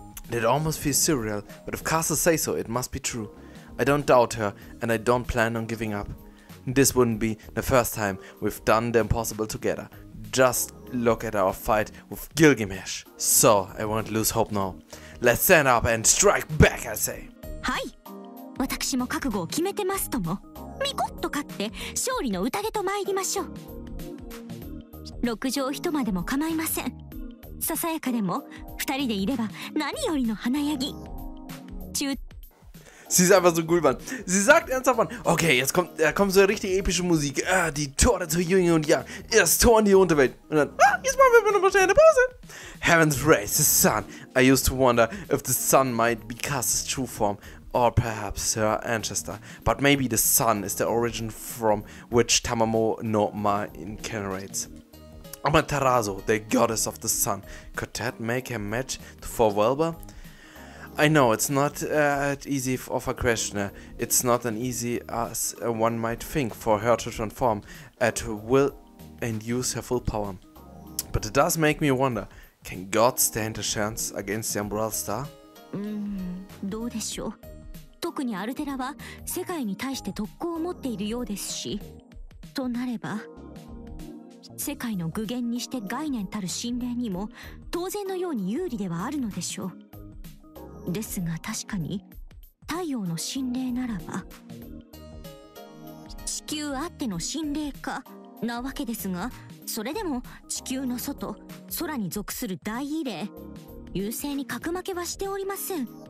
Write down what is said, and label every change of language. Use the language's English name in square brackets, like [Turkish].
[English] That almost feels surreal, but if Casta says so, it must be true. I don't doubt her, and I don't plan on giving up. This wouldn't be the first time we've done the impossible together. Just look at our fight with Gilgamesh. So, I won't lose hope now. Let's stand up and strike back, I say. [Japanese] はい、私も覚悟を決めてますとも。ミコッと勝って勝利の宴と参りましょう。六畳一間でも構いません。ささやかでも二人でいれば何よりの華やぎ。中。 [German] Sie ist einfach so cool, Mann. Sie sagt ernsthaft, Mann, okay, jetzt kommt so eine richtige epische Musik. Ah, die Tore zu Yin und Yang. Erst Tor in die Unterwelt. Und dann, jetzt machen wir mal noch schnell eine Pause. [English] Heaven's Race, the Sun. I used to wonder if the Sun might be Casta's true form. Or perhaps Sir Anchester. But maybe the Sun is the origin from which Tamamo no Ma incarnates. Amaterasu, the goddess of the sun. Could that make a match for Velba? I know, it's not as easy of a question. It's not as easy as one might think for her to transform at will and use her full power. But it does make me wonder, can God stand a chance against the Umbrella Star? [Japanese] どうでしょう。特にアルテラは世界に対して特攻を持っているようですし、となれば世界の具現にして概念たる神霊にも当然のように有利ではあるのでしょう。ですが確かに太陽の神霊ならば地球あっての神霊かなわけですが、それでも地球の外、空に属する大異霊、優勢に格負けはしておりません。